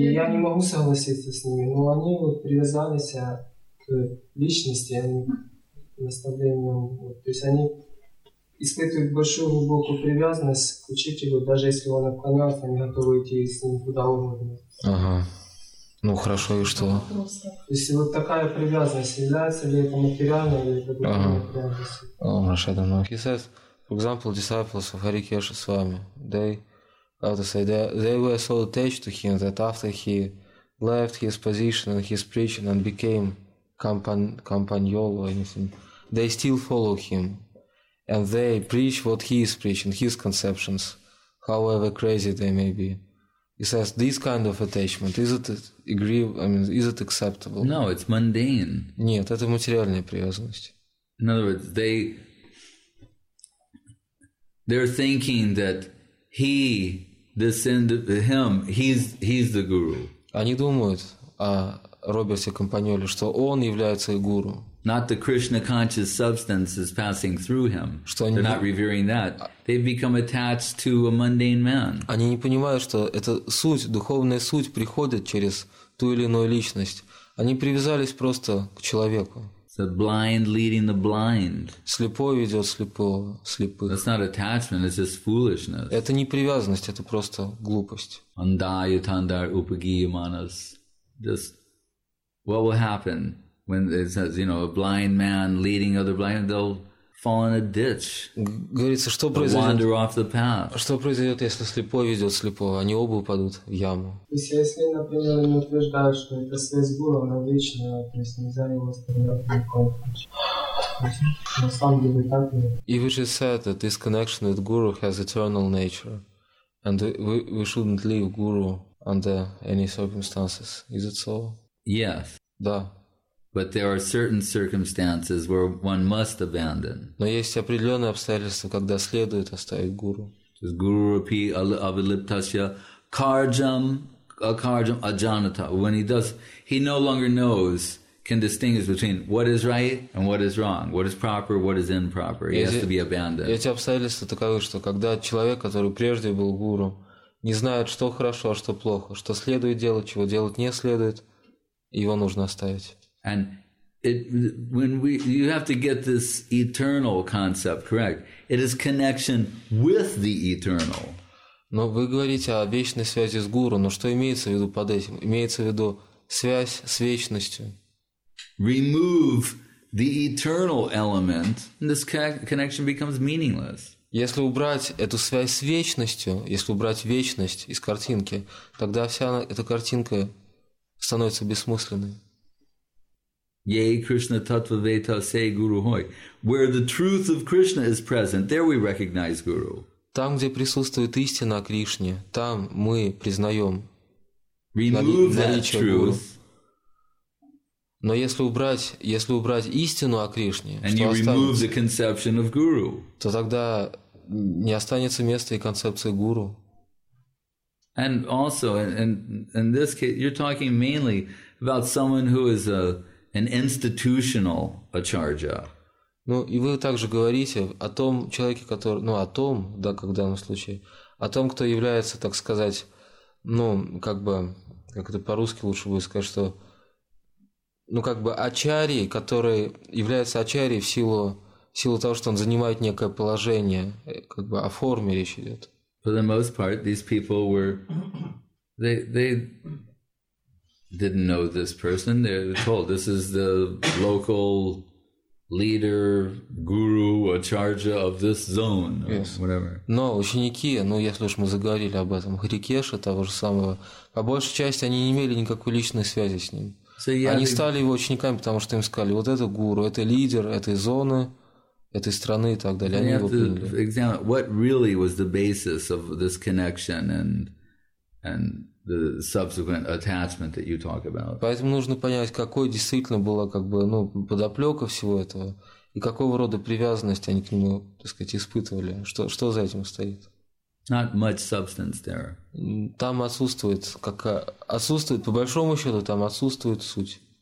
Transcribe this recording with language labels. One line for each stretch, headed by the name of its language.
Russian: И я не могу согласиться с ними. Но они вот привязались личности, они наставлением, вот. То есть они испытывают большую глубокую привязанность к учителю, даже если он отклонялся, они готовы идти с ним куда угодно. Ага. Ну хорошо, и что? То есть вот такая привязанность, является ли это материально, или это будет привязанность?
English: Ага. He says, for example, disciples of Hari Kesha Swami, they, how to say, they were so attached to him that after he left his position and his preaching and became Campagnolo or anything, they still follow him and they preach what he is preaching, his conceptions, however crazy they may be. He says, this kind of attachment, is it is it acceptable? No, it's mundane.
Russian: Нет, это материальная привязанность.
English: In other words, they're thinking that he, this end of him, he's the guru.
Russian: Они думают, а Роберте Компаньоле, что он является гуру.
English: Not the Krishna conscious substance is passing through him. They're not revering that. They've become attached to a mundane man.
Russian: Они не понимают, что эта суть, духовная суть приходит через ту или иную личность. Они привязались просто к человеку.
English: The blind leading the blind.
Russian: Слепой ведет слепого, слепых.
English: That's not attachment, it's just foolishness.
Russian: Это не привязанность, это просто глупость. Андаю тандар упагиманас.
English: Just what will happen when it says, you know, a blind man leading other blind, they'll fall in a ditch.
Russian: Говорится, что произойдет?
English: Wander off the path.
Russian: Что произойдет, если слепой ведет слепого? Они оба упадут в яму. То есть, если, например, они утверждают, что это связь гуру, она вечная, то есть нельзя его оставлять в никаком случае. На самом деле, так ли?
English: If we just said that this connection with guru has eternal nature, and we shouldn't leave guru under any circumstances, is it so? Yes.
Russian: Да.
English: But there are certain circumstances where one must abandon.
Russian: Но есть определенные обстоятельства, когда следует оставить гуру.
Sanskrit: Just guru api avaliptasya karjam akarjam ajanata.
English: When he does, he no longer knows, can distinguish between what is right and what is wrong, what is proper, what is improper. He has to be abandoned.
Russian: Эти обстоятельства таковы, что когда человек, который прежде был гуру, не знает, что хорошо, а что плохо, что следует делать, чего делать не следует. Его нужно оставить.
English: And it, when we, you have to get this eternal concept correct. It is connection with the eternal.
Russian: Но вы говорите о вечной связи с гуру. Но что имеется в виду под этим? Имеется в виду связь с вечностью.
English: Remove the eternal element, and this connection becomes meaningless.
Russian: Если убрать эту связь с вечностью, если убрать вечность из картинки, тогда вся эта картинка становится бессмысленной.
Bangla: Yea, Krishna tattva veta se guru hoy.
English: Where the truth of Krishna is present, there we recognize guru.
Russian: Там, где присутствует истина о Кришне, там мы признаем наличие гуру. Но если убрать истину о Кришне,
English: and
Russian: что
English: you
Russian: останется,
English: remove the conception of guru,
Russian: то тогда не останется места и концепции гуру.
English: And also, in this case, you're talking mainly about someone who is an institutional acharya.
Russian: Ну, и вы также говорите о том человеке, который, ну, о том, да, как в данном случае, о том, кто является, так сказать, ну, как бы, как это по-русски лучше будет сказать, что, ну, как бы, ачарий, который является ачарий в силу того, что он занимает некое положение, как бы о форме речь идет.
English: For the most part, these people were—they didn't know this person. They're told this is the local leader, guru, acharya of this zone, or yes, whatever.
Russian: Но ученики, ну если уж мы заговорили об этом, Хари Кеша того же самого, по большей части они не имели никакой личной связи с ним.
English: So, yeah,
Russian: они стали его учениками, потому что им сказали: вот это гуру, это лидер этой зоны, этой страны и так далее, они его приняли.
English: Examine what really was the basis of this connection and the subsequent attachment that you talk about.
Russian: Поэтому нужно понять, какой действительно была как бы, ну, подоплёка всего этого и какого рода привязанность они к нему, так сказать, испытывали. Что за этим стоит?
English: Not much substance there.
Russian: Там отсутствует, как отсутствует, по большому счёту, там отсутствует суть.